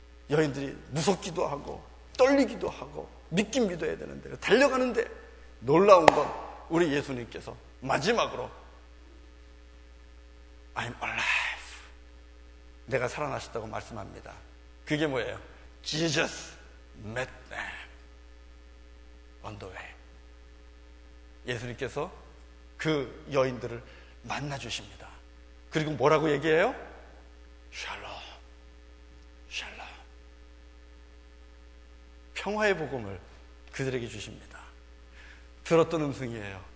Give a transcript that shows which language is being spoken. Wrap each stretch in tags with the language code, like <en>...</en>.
<ko>여인들이 무섭기도 하고 떨리기도 하고 믿긴 믿어야 되는데 달려가는데 놀라운 건 우리 예수님께서 마지막으로</ko> <en>I'm alive.</en> <ko>내가 살아나셨다고 말씀합니다. 그게 뭐예요?</ko> <en>Jesus met them on the way.</en> <ko>예수님께서 그 여인들을 만나주십니다. 그리고 뭐라고 얘기해요?</ko> <he>Shalom. Shalom.</he> <ko>평화의 복음을 그들에게 주십니다. 들었던 음성이에요.</ko>